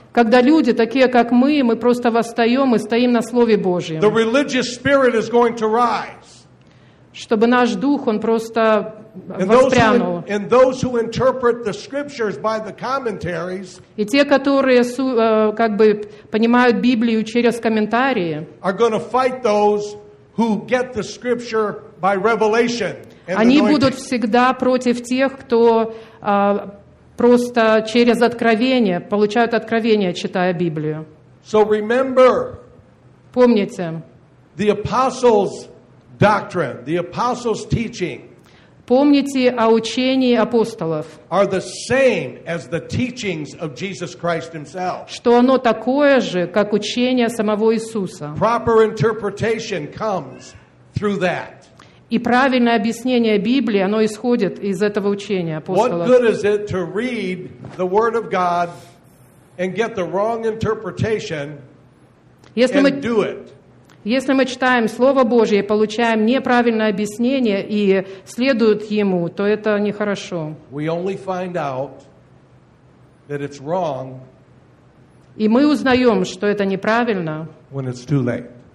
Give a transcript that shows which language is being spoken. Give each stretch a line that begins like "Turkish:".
Russian: Когда люди такие как мы просто восстаём и стоим на слове Божьем.
English: The religious spirit is going to rise.
Russian: Чтобы наш дух он просто воспрянул.
English: And those who interpret the scriptures by the commentaries.
Russian: И те, которые как бы понимают Библию через комментарии.
English: Are going to fight those who get the scripture by revelation.
Russian: Они будут всегда против тех, кто просто через откровение, получают откровение, читая Библию.
English: So remember,
Russian: помните,
English: the apostles' doctrine, the apostles' teaching,
Russian: помните о учении апостолов,
English: are the same as the teachings of Jesus Christ himself.
Russian: Что оно такое же, как учение самого Иисуса.
English: Proper interpretation comes through that.
Russian: И правильное объяснение Библии, оно исходит из этого учения апостолов.
English: What good is it to read the Word of God and get the wrong interpretation and do it?
Russian: Если мы читаем Слово Божье, получаем неправильное объяснение и следуют ему, то это нехорошо.
English: We only find out that it's wrong.
Russian: И мы узнаем, что это неправильно,
English: when it's too late.